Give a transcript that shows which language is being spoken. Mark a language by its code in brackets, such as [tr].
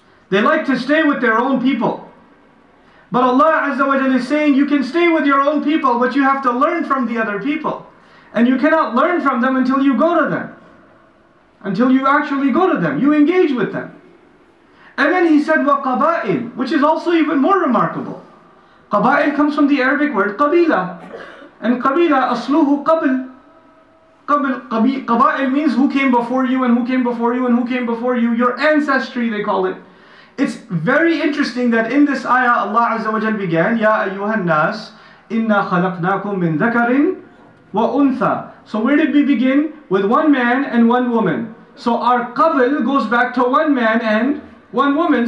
[en] They like to stay with their own people. But Allah Azza wa Jalla is saying, you can stay with your own people, but you have to learn from the other people. And you cannot learn from them until you go to them. Until you actually go to them, you engage with them. And then He said, وَقَبَائِل, which is also even more remarkable. قَبَائِل comes from the Arabic word قَبِيلَة. [ar] And قَبِيلَة أَصْلُهُ قَبِل. [en] قَبَائِل means who came before you and who came before you and who came before you. Your ancestry, they call it. It's very interesting that in this ayah, Allah Azza wa Jal began, [ar] يَا أَيُّهَا النَّاسِ إِنَّا خَلَقْنَاكُمْ مِنْ ذَكَرٍ وَأُنْثَى. [en] So where did we begin? With one man and one woman. So our قَبِل goes back to one man and one woman.